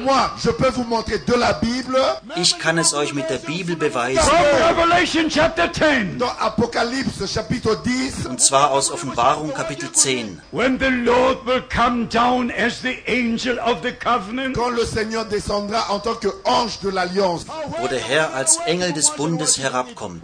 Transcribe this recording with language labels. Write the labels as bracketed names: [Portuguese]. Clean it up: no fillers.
[French] Moi, je peux vous montrer de la Bible. [German] Ich kann es euch mit der Bibel beweisen. [English] From Revelation chapter 10. [French] Dans Apocalypse chapitre 10. [German] Und zwar aus Offenbarung Kapitel 10. [English] When the Lord will come down as the angel of the covenant. [French] Quand le Seigneur descendra en tant que ange de l'alliance. [German] Wo der Herr als Engel des Bundes herabkommt.